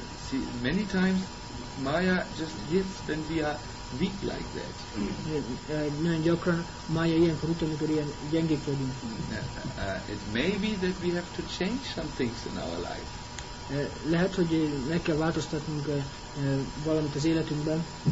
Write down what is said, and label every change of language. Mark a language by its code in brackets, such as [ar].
[en] See, many times Maya just hits when we are weak like that. [hu] Nagyon gyakran Maya ilyenkor utol, amikor ilyen gyengék vagyunk. [en] It may be that we have to change some things in our life. [hu] Lehet, hogy meg kell változtatnunk valamit az életünkben.